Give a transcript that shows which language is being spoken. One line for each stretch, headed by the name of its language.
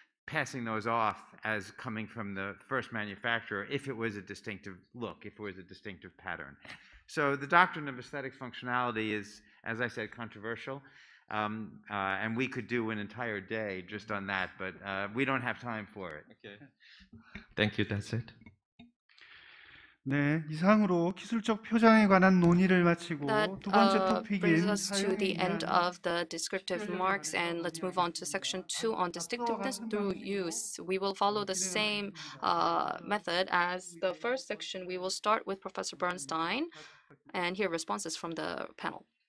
English: passing those off as coming from the first manufacturer if it was a distinctive look, if it was a distinctive pattern. So the doctrine of aesthetic functionality is, as I said, controversial. And we could do an entire day just on that, but we don't have time for it. Okay. Thank you. That's it.
Korean: 네, 이상으로 기술적 표장에 관한 논의를 마치고 두 번째 토픽인
English: brings us to the end of the descriptive marks, and let's move on to section 2 on distinctiveness through use. We will follow the same method as the first section. We will start with Professor Bernstein and hear responses from the panel.